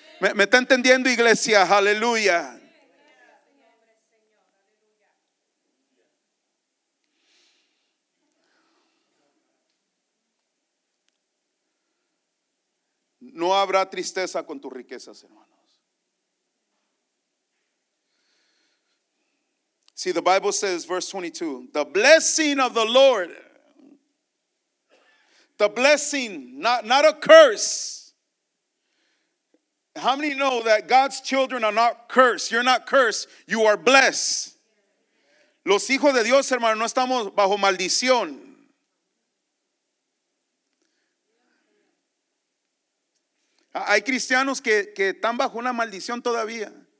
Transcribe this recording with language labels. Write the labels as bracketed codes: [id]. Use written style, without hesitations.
[es] ¿Me está entendiendo, iglesia? Aleluya. No habrá tristeza con tus riquezas, hermanos. [en] See, the Bible says, verse 22, the blessing of the Lord. The blessing, not a curse. How many know that God's children are not cursed? You're not cursed. You are blessed. [es] Los hijos de Dios, hermanos, no estamos bajo maldición. Hay cristianos que están bajo una maldición todavía.